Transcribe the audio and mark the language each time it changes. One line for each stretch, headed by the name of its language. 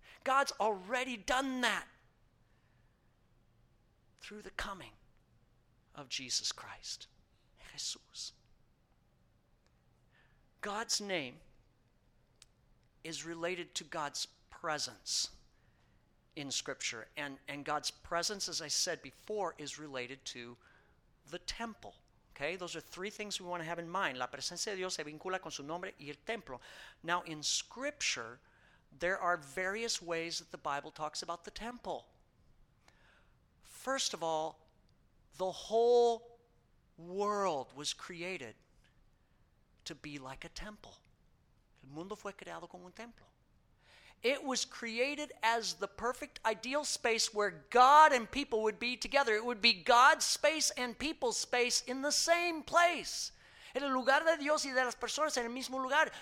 English: God's already done that through the coming of Jesus Christ, Jesus. God's name is related to God's presence in Scripture. And God's presence, as I said before, is related to the temple. Okay, those are three things we want to have in mind.
Spanish: La presencia de Dios se vincula con su nombre y el templo.
English: Now, in Scripture, there are various ways that the Bible talks about the temple. First of all, the whole world was created to be like a temple.
Spanish: El mundo fue creado como un templo.
English: It was created as the perfect ideal space where God and people would be together. It would be God's space and people's space in the same place.
Spanish: En el lugar de Dios y de las personas, en el mismo lugar.